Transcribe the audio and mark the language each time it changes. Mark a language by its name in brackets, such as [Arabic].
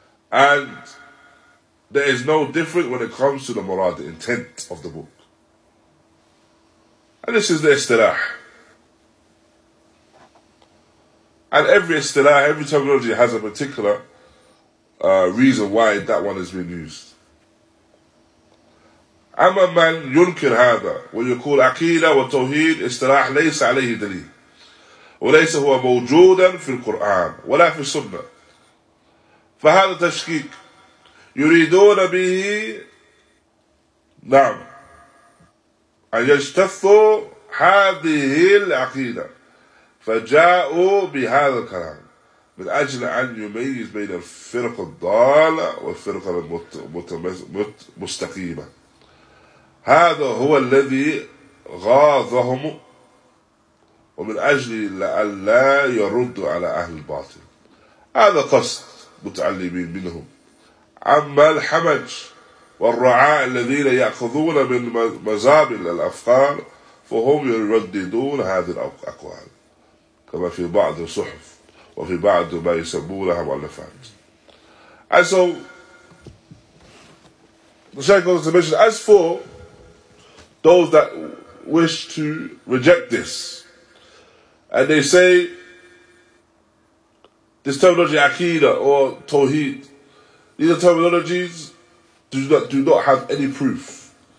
[English] And there is no difference when it comes to the murad, the intent of the book. And this is the istilah. And every istilah, every terminology has a particular reason why that one has been used. [Arabic] أما من ينكر هذا ويقول عقيدة وتوحيد استراح ليس عليه دليل وليس هو موجودا في القرآن ولا في السنة فهذا تشكيك يريدون به نعم أن يجتثوا هذه العقيدة فجاءوا بهذا الكلام من أجل أن يميز بين الفرق الضالة والفرق المستقيمة هذا هو الذي غاظهم ومن أجل لألا يرد على أهل الباطل هذا قصد متعلمين منهم أما الحمج والرعاء الذين يأخذون من مزابل الأفكار فهم يرددون هذه الأقوال كما في بعض الصحف وفي بعض ما يسمونها مؤلفات. [English] And so the Sheikh goes to mention, as for those that wish to reject this, and they say this terminology Aqeedah or Tawheed, these terminologies do not have any proof,